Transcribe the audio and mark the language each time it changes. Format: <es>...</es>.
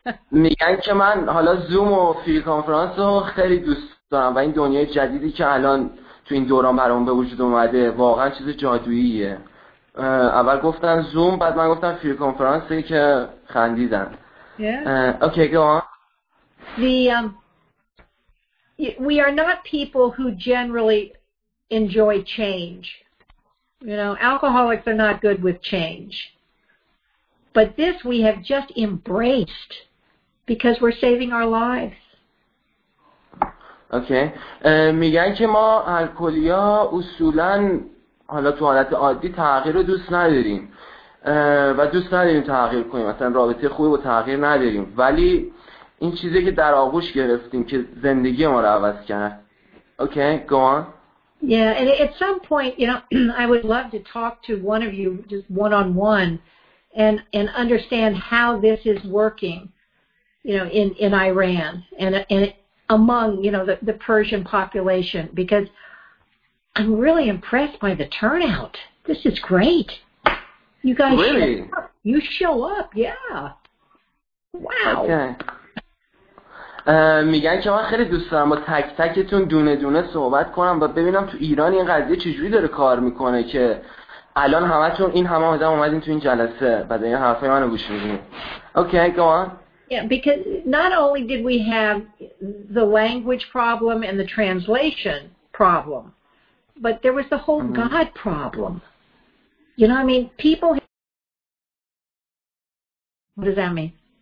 <fa>میگن که من حالا زوم و فری کانفرانس رو خیلی دوست دارم و این دنیای جدیدی که الان تو این دوران برامون به وجود اومده واقعا چیز جادوییه. اول گفتن زوم، بعد من گفتم فری کانفرانس، که خندیدن.</fa> <en>Okay, go on. We are not people who generally enjoy change. You know, alcoholics are not good with change. But this we have just embraced because we're saving our lives. Okay.</en> <fa>میگن که ما الکلیا اصولا حالا تو حالت عادی تغییر رو دوست نداریم و دوست نداریم تغییر کنیم، مثلا رابطه خوبی با تغییر نداریم، ولی این چیزی که در آغوش گرفتیم که زندگی ما رو عوض کرد.</fa> <en>Okay, go on. Yeah, and at some point, you know, I would love to talk to one of you just one-on-one and understand how this is working, you know, in Iran and among, you know, the Persian population, because I'm really impressed by the turnout. This is great. You guys really? Show up. You show up, yeah. Wow. Okay.</en> <fa>میگن که من خیلی دوست دارم با تک تکتون دونه دونه صحبت کنم و ببینم تو ایران این قضیه چجوری داره کار میکنه که الان همتون این همه آدم اومدین تو این جلسه و در این حرفای منو گوش میدین.</fa> <en>Okay, go on. Yeah, because not only did we have the language problem and the translation problem, but there was the whole God problem. You know what I mean? People... What does that mean?</en>